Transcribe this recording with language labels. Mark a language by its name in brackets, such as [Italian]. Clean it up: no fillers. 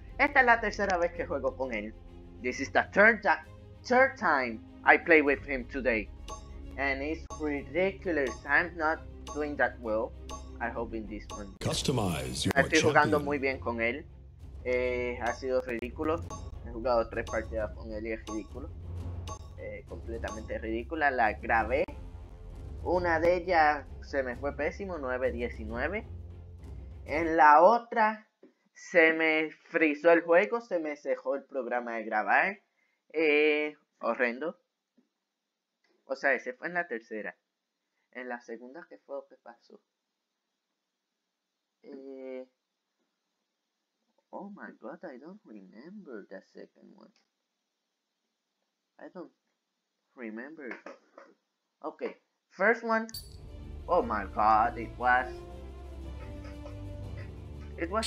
[Spanish] Esta es la tercera vez que juego con él. [English] This is the third time I play with him today. And it's ridiculous. I'm not doing that well. I hope in this one. Customize your [Spanish] estoy jugando [English] champion. [Spanish] Muy bien con él. Ha sido ridículo. He jugado tres partidas con él y es ridículo. Completamente ridícula. La grabé. Una de ellas se me fue pésimo. 9-19. En la otra se me frizó el juego. Se me cejó el programa de grabar. Horrendo. O sea, ese fue en la tercera. En la segunda, ¿qué fue lo que pasó? [English] Oh my god, I don't remember the second one. I don't remember. Okay, first one. Oh my god, it was